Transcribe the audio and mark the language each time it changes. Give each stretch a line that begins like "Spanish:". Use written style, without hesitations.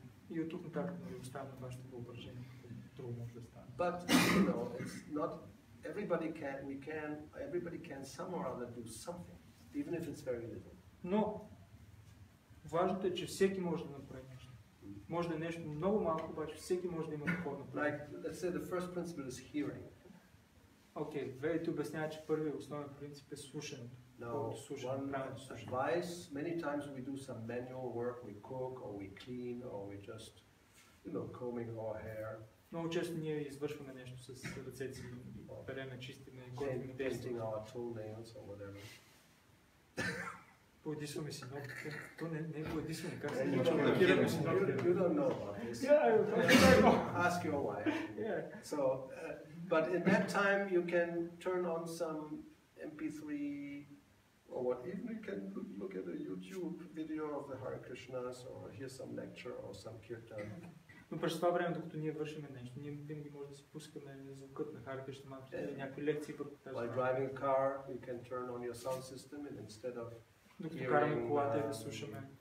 Bulgarian: И от тук нататък да оставим вашето въображение, друго може да стане.
English: But you know, it's not everybody can, we can, everybody can somehow or other do something, even if it's very little.
Bulgarian: Но важното е, че всеки може да направи нещо. Може да е нещо много малко, обаче всеки може да има духовно проявление.
English: Like, let's say the first principle is hearing.
Bulgarian: Окей, Ведите обяснява, че първият основен принцип е слушането.
English: Now,
Bulgarian: слушане,
English: one advice, many times we do some manual work, we cook, or we clean, or we just, you know, combing our hair.
Bulgarian: Много често ние извършваме нещо с ръцете си, переме, чистиме, готвиме
English: тези. Painting our toenails, or whatever.
Bulgarian: Поедисваме си ногтите. То не е поедисване, как се нещо лакираме си ногтите.
English: You don't know about this. Yeah, I know. Ask your wife. Yeah. So, but in that time you can turn on some MP3 or what, even you can look at a YouTube video of the Hare Krishnas or hear some lecture or some kirtan.
Bulgarian: Но през това време, докато ние вършим нещо, ние винаги може да си пускаме звукът на Hare Krishna мантрата или някои лекции по тази.
English: While driving a car, you can turn on your sound system and instead of
Bulgarian: докато караме колата и да слушаме.